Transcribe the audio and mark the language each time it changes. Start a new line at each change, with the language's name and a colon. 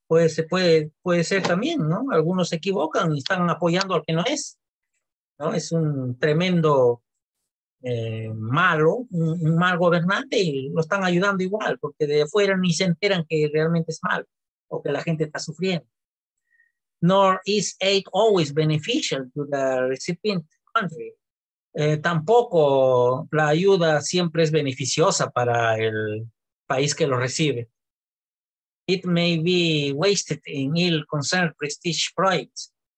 Spanish: Puede ser también, ¿no? Algunos se equivocan y están apoyando al que no es, ¿no? Es un tremendo malo, un mal gobernante, y lo están ayudando igual, porque de afuera ni se enteran que realmente es malo o que la gente está sufriendo.
English: Nor is aid always beneficial to the recipient country.
Spanish: Tampoco la ayuda siempre es beneficiosa para el país que lo recibe.
English: It may be wasted in ill-concerned prestige projects.